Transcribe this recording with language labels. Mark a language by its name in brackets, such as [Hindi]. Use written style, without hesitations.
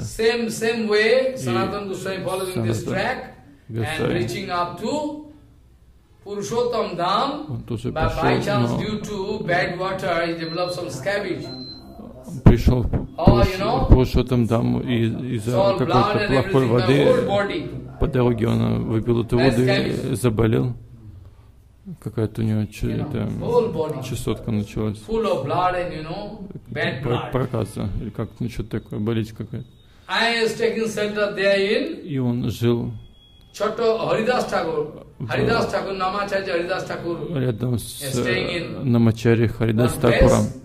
[English] Санатан Госвами Purushottam Dham, by chance due to bad water, he developed some scabbage. [Russian] Пришел в Пурушоттам Дам и из-за какой-то плохой воды по дороге он выпил эту воду и заболел. Какая-то у него чесотка началась. [English] Full of blood and you know bad blood. [Russian] Проказа или как ну что-то такое, болезнь какая-то. [English] I was taking shelter there in. [Russian] И он жил. [English] Chhoto Haridas Thakur. Haridas Thakur, Namacharya Haridas Thakur. [Russian] Рядом с Намачари Харидас Такуром.